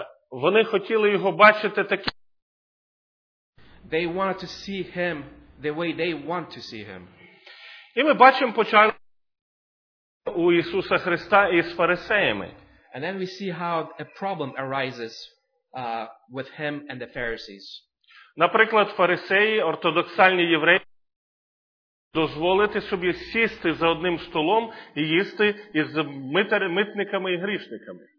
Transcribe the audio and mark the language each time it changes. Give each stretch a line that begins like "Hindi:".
Ukrainian: Вони хотіли його бачити таким.
English: They wanted to see him the way they want to see him.
Ukrainian: І ми бачимо початок у Ісуса Христа із фарисеями.
English: And then we see how a problem arises with him and the Pharisees.
Ukrainian: Наприклад, фарисеї, ортодоксальні євреї, дозволити собі сісти за одним столом і їсти із митниками і грішниками.